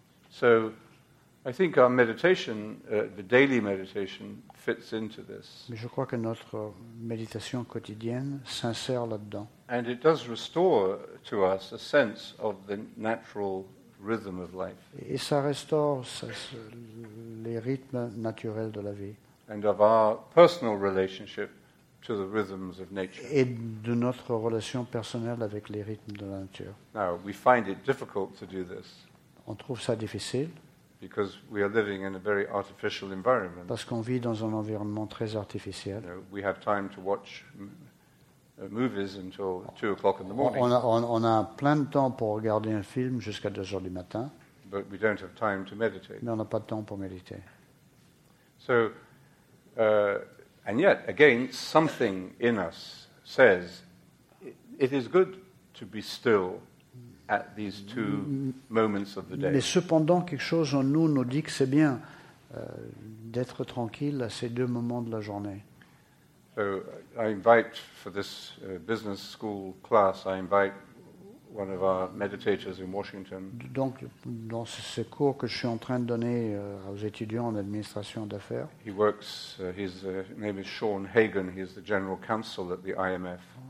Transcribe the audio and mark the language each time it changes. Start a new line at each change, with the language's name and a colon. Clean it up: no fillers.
English: So, I think our meditation, the daily meditation, fits into this.
French: Mais je crois que notre méditation quotidienne s'insère là-dedans.
English: And it does restore to us a sense of the natural rhythm of life.
French: Et ça restaure les rythmes naturels de la vie.
English: And of our personal relationship to the rhythms of nature.
French: Et de notre relation personnelle avec les rythmes de la nature.
English: Now, we find it difficult to do this.
French: On trouve ça difficile.
English: Because we are living in a very artificial environment.
French: Parce qu'on vit dans un environnement très artificiel.
English: You know, we have time to watch movies until 2 o'clock in the morning.
French: On a plein de temps pour regarder un film jusqu'à 2 heures du matin.
English: But we don't have time to meditate.
French: Mais on n'a pas de temps pour méditer.
English: So, and yet, again, something in us says it is good to be still at these two moments of the day.
French: Mais cependant, quelque chose en nous nous dit que c'est bien d'être tranquille à ces deux moments de la journée.
English: So, I invite for this business school class, I invite one of our meditators in Washington.
French: Donc, dans ce cours que je suis en train de donner aux étudiants en administration d'affaires.
English: He works, his name is Sean Hagen, he's the general counsel at the IMF.